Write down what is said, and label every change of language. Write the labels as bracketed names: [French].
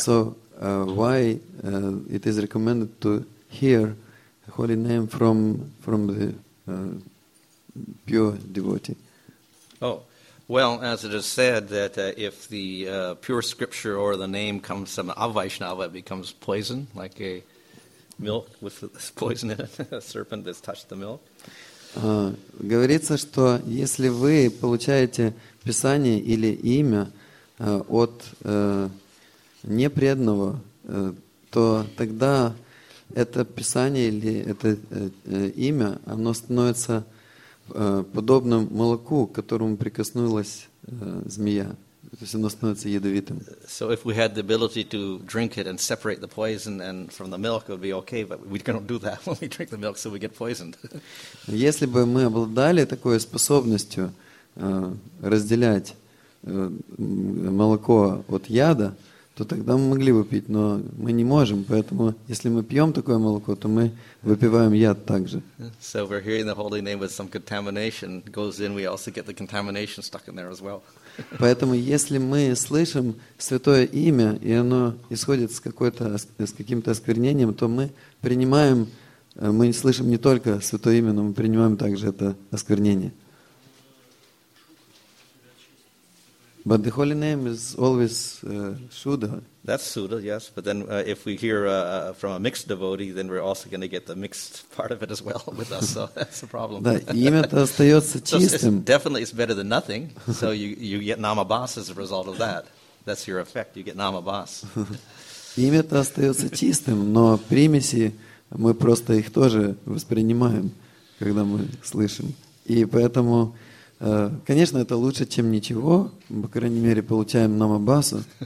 [English] So why it is recommended to hear a holy name from the pure devotee? Oh, well, as it is said, that if the pure scripture or the name comes from Avaishnava, it becomes poison, like a milk with poison in it, a serpent that's touched the milk. [Russian] Говорится, что если вы получаете Писание или имя от непреданного, то тогда это Писание или это имя, оно становится подобным молоку, к которому прикоснулась змея. То есть оно становится ядовитым. [English] So if we had the ability to drink it and separate the poison and from the milk, it would be okay, but we cannot do that when we drink the milk, so we get poisoned. [Russian] Если бы мы обладали такой способностью разделять молоко от яда, то тогда мы могли бы пить, но мы не можем. Поэтому, если мы пьем такое молоко, то мы выпиваем яд также. [English] So we're hearing the holy name with some contamination goes in, we also get the contamination stuck in there as well. [Russian] Поэтому, если мы слышим святое имя, и оно исходит с каким-то осквернением, то мы принимаем, мы слышим не только святое имя, но мы принимаем также это осквернение. [English] But the holy name is always Shuddha. That's Shuddha, yes. But then if we hear from a mixed devotee, then we're also going to get the mixed part of it as well with us. So that's a problem. [Russian] Да, имя-то остается чистым. [English] Definitely it's better than nothing. So you get namabhas as a result of that. That's your effect. You get namabhas. [Russian] Имя-то остается чистым, но примеси, мы просто их тоже воспринимаем, когда мы слышим. И поэтому... конечно, это лучше, чем ничего. По крайней мере, получаем намабасу.